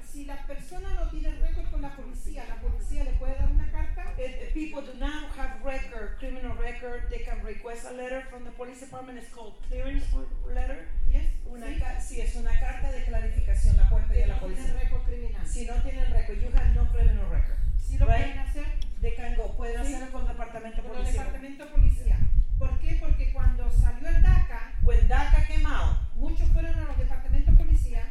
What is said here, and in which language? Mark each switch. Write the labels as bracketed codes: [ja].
[es] Si la persona no tiene récord con la policía le puede dar una carta. [en] If people do not have record, criminal record, they can request a letter from the police department. It's called clearance letter. Yes. [es] Si es una carta de clarificación la puede pedir la policía. Si no tiene récord criminal. Si no tiene récord, [en] you have no criminal record. [es] Si lo pueden hacer, [en] they can go. [es] Pueden hacerlo con departamento policial. Con departamento policía. ¿Por qué? Porque cuando salió el DACA, [en] when DACA came out, [es] muchos fueron a los departamentos de policía,